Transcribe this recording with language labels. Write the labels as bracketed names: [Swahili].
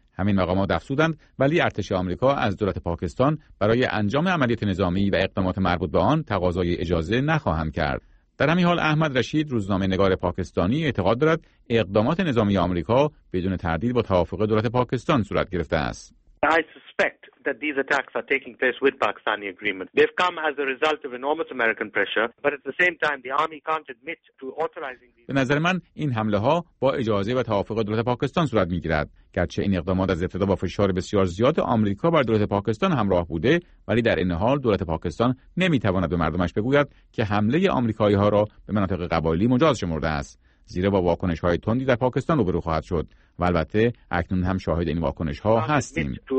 [Persian] همین مقامات افزودند ولی ارتش آمریکا از دولت پاکستان برای انجام عملیات نظامی و اقدامات مربوط به آن تقاضای اجازه نخواهم کرد. در همین حال احمد رشید روزنامه نگار پاکستانی اعتقاد دارد اقدامات نظامی آمریکا بدون تردید با توافق دولت پاکستان صورت گرفته است. [English] I suspect that these attacks are taking place with Pakistani agreement. They've come as a result of enormous American pressure, but at the same time the army can't admit to authorizing these. [Persian] به نظر من این حمله ها با اجازه و توافق دولت پاکستان صورت می گیرد. گرچه این اقدامات از ابتدا با فشار بسیار زیاد آمریکا بر دولت پاکستان همراه بوده، ولی در این حال دولت پاکستان نمی تواند به مردمش بگوید که حمله آمریکایی ها را به مناطق قبایلی مجاز شمرده است، زیرا با واکنش های تندی در پاکستان روبرو خواهد شد و البته اکنون هم شاهد این واکنش ها هستیم.